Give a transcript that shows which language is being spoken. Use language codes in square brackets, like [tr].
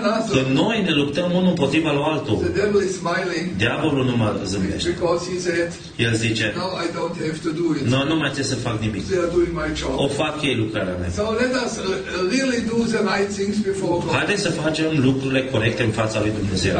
[ro] Că noi ne luptăm unul împotriva lui altul. Diavolul nu mă zâmbește. El zice, [en] no, [ro] nu mai trebuie să fac nimic. O fac ei lucrarea mea. [en] Really do the right things before God. [ro] Haideți să facem lucrurile corecte în fața lui Dumnezeu.